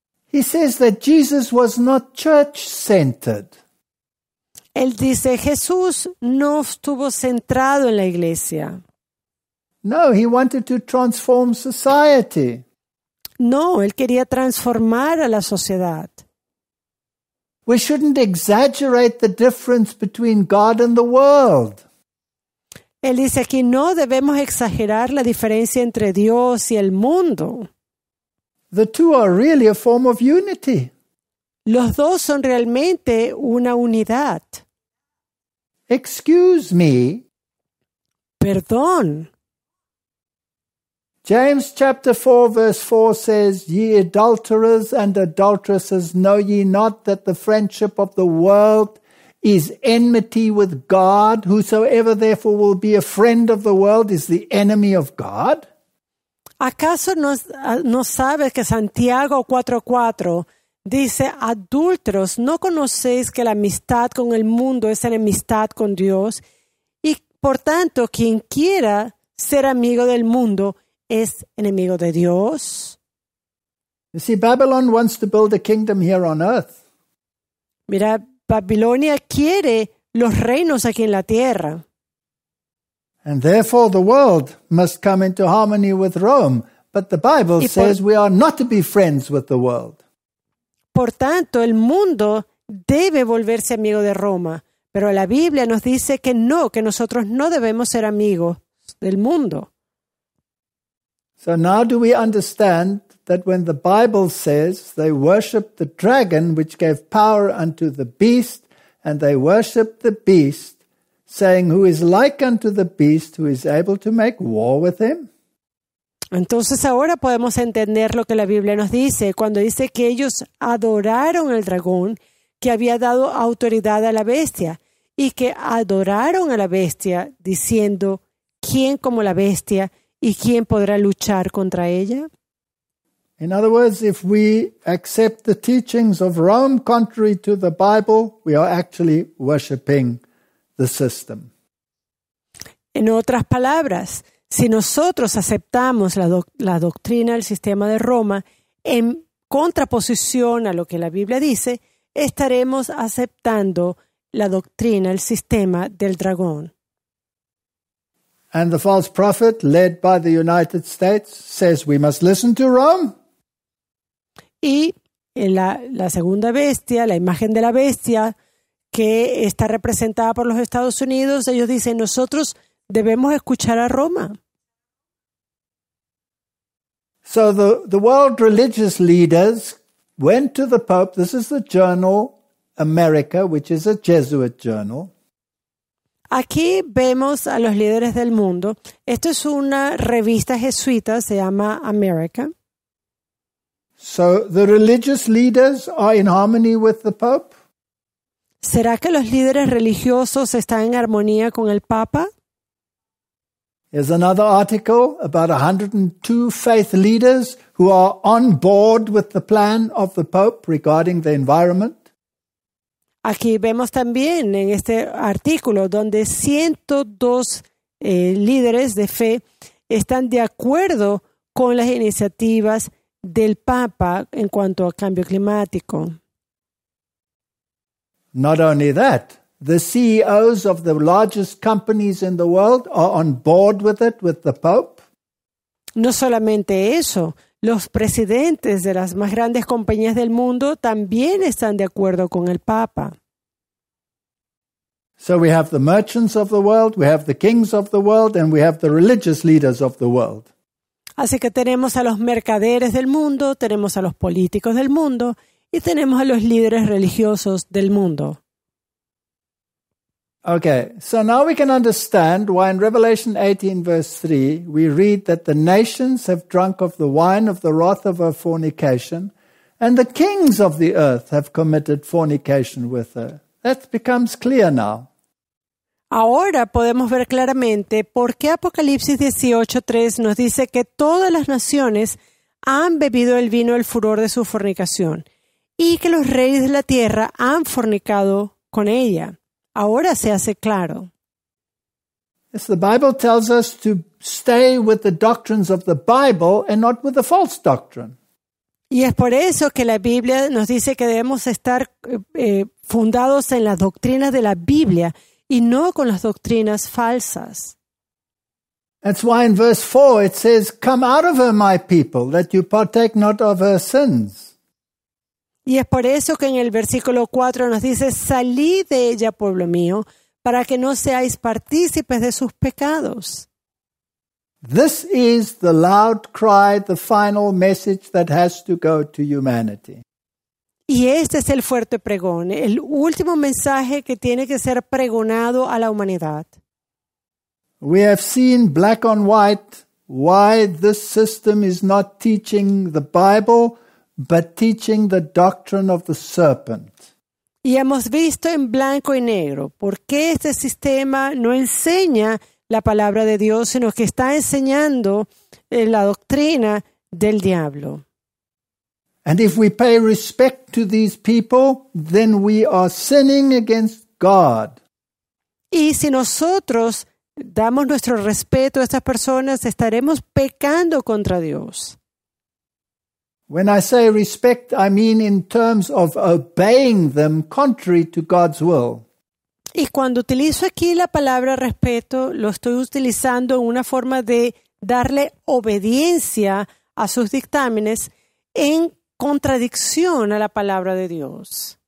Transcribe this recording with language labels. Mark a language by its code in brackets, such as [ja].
[en] He says that Jesus was not church-centered. [es] Él dice, Jesús no estuvo centrado en la iglesia. [en] No, he wanted to transform society. [es] No, él quería transformar a la sociedad. [en] We shouldn't exaggerate the difference between God and the world. [es] Él dice aquí, no debemos exagerar la diferencia entre Dios y el mundo. [en] The two are really a form of unity. [es] Los dos son realmente una unidad. [en] Excuse me. [es] Perdón. [en] James chapter 4 verse 4 says, ye adulterers and adulteresses, know ye not that the friendship of the world is enmity with God? Whosoever therefore will be a friend of the world is the enemy of God? [es] ¿Acaso no sabes que Santiago 4:4 dice, adúlteros, no conocéis que la amistad con el mundo es enemistad con Dios? Y por tanto, quien quiera ser amigo del mundo es enemigo de Dios. [en] You see, Babylon wants to build a kingdom here on earth. [es] Mira, Babilonia quiere los reinos aquí en la tierra. [en] And therefore the world must come into harmony with Rome. But the Bible says we are not to be friends with the world. [es] Por tanto, el mundo debe volverse amigo de Roma. Pero la Biblia nos dice que no, que nosotros no debemos ser amigos del mundo. [en] So now do we understand that when the Bible says they worship the dragon which gave power unto the beast, and they worship the beast, saying, who is like unto the beast, who is able to make war with him? [es] Entonces ahora podemos entender lo que la Biblia nos dice cuando dice que ellos adoraron al dragón que había dado autoridad a la bestia, y que adoraron a la bestia diciendo, ¿quién como la bestia? ¿Y quién podrá luchar contra ella? [en] In other words, if we accept the teachings of Rome contrary to the Bible, we are actually worshiping the system. [es] En otras palabras, si nosotros aceptamos la doctrina del sistema de Roma en contraposición a lo que la Biblia dice, estaremos aceptando la doctrina, el sistema del dragón. [en] And the false prophet led by the United States says we must listen to Rome. [es] Y en la segunda bestia, la imagen de la bestia que está representada por los Estados Unidos, ellos dicen nosotros debemos escuchar a Roma. [en] So the world religious leaders went to the Pope. This is the journal America, which is a Jesuit journal. [es] Aquí vemos a los líderes del mundo. Esto es una revista jesuita, se llama America. [en] So the religious leaders are in harmony with the Pope? [es] ¿Será que los líderes religiosos están en armonía con el Papa? [en] There's another article about 102 faith leaders who are on board with the plan of the Pope regarding the environment. [es] Aquí vemos también en este artículo donde 102 líderes de fe están de acuerdo con las iniciativas del Papa en cuanto al cambio climático. [en] Not only that, the CEOs of the largest companies in the world are on board with it, with the Pope. [es] No solamente eso, los presidentes de las más grandes compañías del mundo también están de acuerdo con el Papa. [en] So we have the merchants of the world, we have the kings of the world, and we have the religious leaders of the world. [es] Así que tenemos a los mercaderes del mundo, tenemos a los políticos del mundo, y tenemos a los líderes religiosos del mundo. [en] Okay, so now we can understand why in Revelation 18 verse 3 we read that the nations have drunk of the wine of the wrath of her fornication, and the kings of the earth have committed fornication with her. That becomes clear now. [es] Ahora podemos ver claramente por qué Apocalipsis 18:3 nos dice que todas las naciones han bebido el vino del furor de su fornicación y que los reyes de la tierra han fornicado con ella. Ahora se hace claro. [en] Yes, the Bible tells us to stay with the doctrines of the Bible and not with the false doctrine. [es] Y es por eso que la Biblia nos dice que debemos estar fundados en las doctrinas de la Biblia y no con las doctrinas falsas. [en] That's why in verse 4 it says, "Come out of her, my people, that you partake not of her sins." [es] Y es por eso que en el versículo 4 nos dice, "Salid de ella, pueblo mío, para que no seáis partícipes de sus pecados." [en] This is the loud cry, the final message that has to go to humanity. [es] Y este es el fuerte pregón, el último mensaje que tiene que ser pregonado a la humanidad. [en] We have seen black on white why this system is not teaching the Bible, but teaching the doctrine of the serpent. [es] Y hemos visto en blanco y negro por qué este sistema no enseña la palabra de Dios, sino que está enseñando la doctrina del diablo. [en] And if we pay respect to these people, then we are sinning against God. [es] Y si nosotros damos nuestro respeto a estas personas, estaremos pecando contra Dios. [en] When I say respect, I mean in terms of obeying them contrary to God's will. [es] Y cuando utilizo aquí la palabra respeto, lo estoy utilizando en una forma de darle obediencia a sus dictámenes en contradicción a la palabra de Dios.